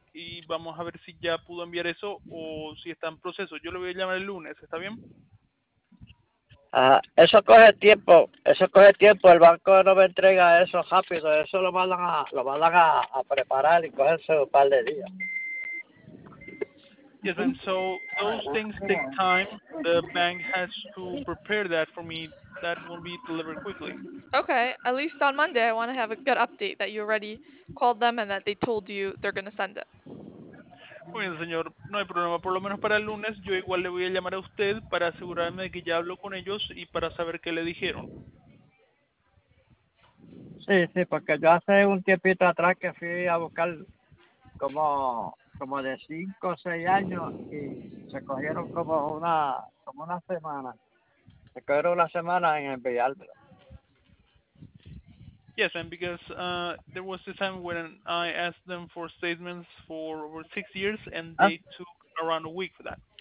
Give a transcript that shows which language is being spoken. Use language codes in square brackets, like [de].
[es] Y vamos a ver si ya pudo enviar eso o si está en proceso. Yo lo voy a llamar el lunes, ¿está bien? Eso coge tiempo. El banco no me entrega eso rápido. Eso lo mandan a preparar y cogerse un par de días. [en] Yes, and so those things take time. The bank has to prepare that for me. That will be delivered quickly. Okay, at least on Monday, I want to have a good update that you already called them and that they told you they're going to send it. [es] Muy bien, señor. No hay problema. Por lo menos para el lunes, yo igual le voy a llamar a usted para asegurarme de que ya hablo con ellos y para saber qué le dijeron. Sí, sí, porque yo hace un tiempito atrás que fui a buscar como de 5 o 6 años y se cogieron como una semana. Se quedó una semana en enviármelo. [en] Yes, and because there was a time when I asked them for statements for over 6 years and they took around a week for that.